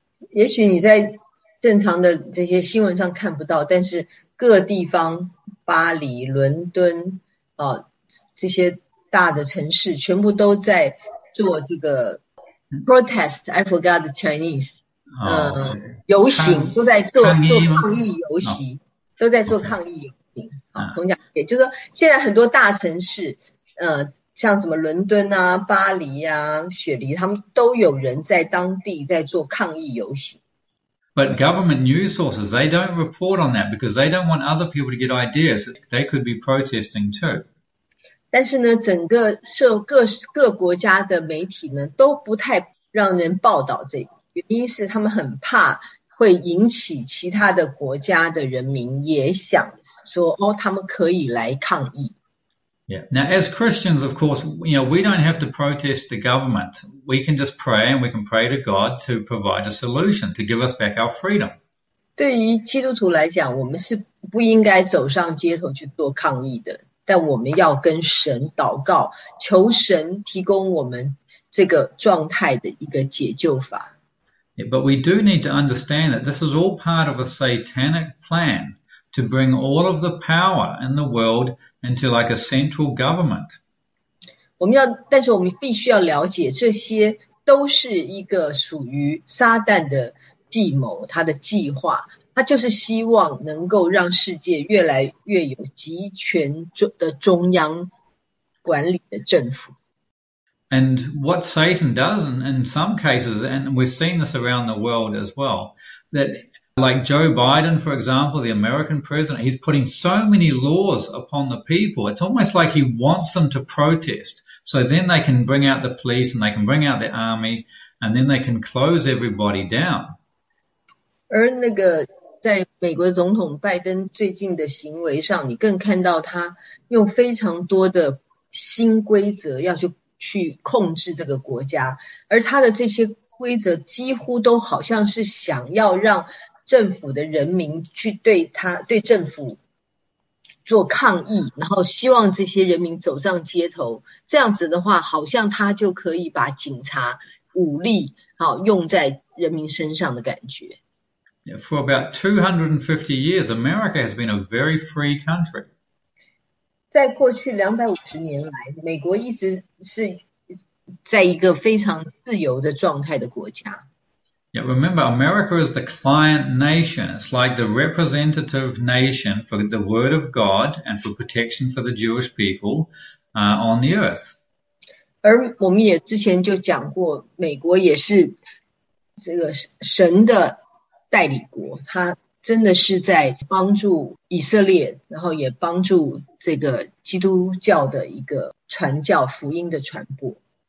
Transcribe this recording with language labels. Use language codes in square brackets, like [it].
[zh] 也许你在正常的这些新闻上看不到，但是各地方，巴黎、伦敦，这些大的城市全部都在做这个 protest。 [en] I forgot the Chinese。 [zh] 游行都在做抗议游行，都在做抗议游行。好，同讲，也就是说，现在很多大城市，像什么伦敦啊、巴黎呀、雪梨，他们都有人在当地在做抗议游行。 [en] But government news sources, they don't report on that because they don't want other people to get ideas that they could be protesting too. [zh] 但是呢，整个各国家的媒体呢，都不太让人报道这个，原因是他们很怕会引起其他的国家的人民也想说，哦，他们可以来抗议。 [en] Yeah. Now, as Christians, of course, we don't have to protest the government. We can just pray and we can pray to God to provide a solution, to give us back our freedom. [zh] 对于基督徒来讲，我们是不应该走上街头去做抗议的。但我们要跟神祷告，求神提供我们这个状态的一个解救法。 [en] Yeah, but we do need to understand that this is all part of a satanic plan. To bring all of the power in the world into like a central government. [zh] 但是我们必须要了解，这些都是一个属于撒旦的计谋，他的计划。他就是希望能够让世界越来越有集权的中央管理的政府。 [en] And what Satan does in some cases, and we've seen this around the world as well, that like Joe Biden, for example, the American president, he's putting so many laws upon the people. It's almost like he wants them to protest. So then they can bring out the police and they can bring out the army and then they can close everybody down. [zh] 而那个。在美国总统拜登最近的行为上，你更看到他用非常多的新规则要去控制这个国家，而他的这些规则几乎都好像是想要让政府的人民去对政府做抗议，然后希望这些人民走上街头。这样子的话，好像他就可以把警察武力用在人民身上的感觉。 [en] For about 250 years, America has been a very free country. [zh] 在过去250年来，美国一直是在一个非常自由的状态的国家。 [en] Yeah, remember, America is the client nation. It's like the representative nation for the word of God and for protection for the Jewish people, on the earth. [zh] 而我们也之前就讲过，美国也是这个神的代理国，他真的是在帮助以色列，然后也帮助这个基督教的一个传教福音的传播。